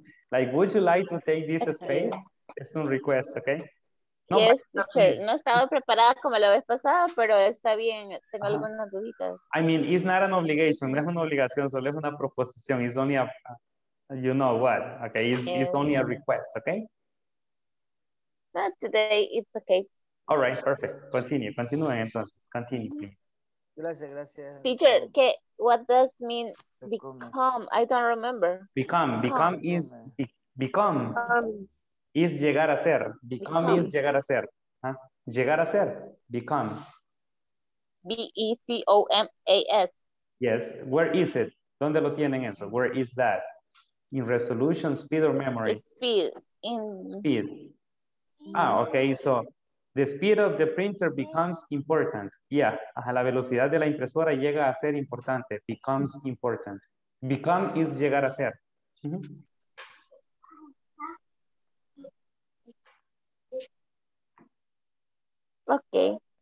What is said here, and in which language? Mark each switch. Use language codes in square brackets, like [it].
[en] Like, would you like to take this space? [es] Es un request, ¿ok? [en] No, yes, teacher. [es] No estaba preparada como la vez pasada, pero está bien. Tengo algunas duditas. [en] I mean, it's not an obligation. [es] No es una obligación, solo es una proposición. [en] It's only a, you know what, ¿ok? It's only a request, ¿ok? Not today, it's okay. All right, perfect. Continue, [es] continúe entonces. [en] Continue, please. [es] Gracias. [en] Teacher, ¿qué, what does mean become? I don't remember. Become is become. Is [es] llegar a ser. [en] Become becomes. Is [es] llegar a ser. [en] Huh? Llegar a ser. Become. B-E-C-O-M-A-S. Yes. Where is it? [es] ¿Dónde lo tienen eso? [en] Where is that? In resolution, speed or memory? Speed. In speed. Ah, okay. So the speed of the printer becomes important. [es] Yeah, a la velocidad de la impresora llega a ser importante. [en] Becomes important. Become is [es] llegar a ser. Mm-hmm. [en] Okay.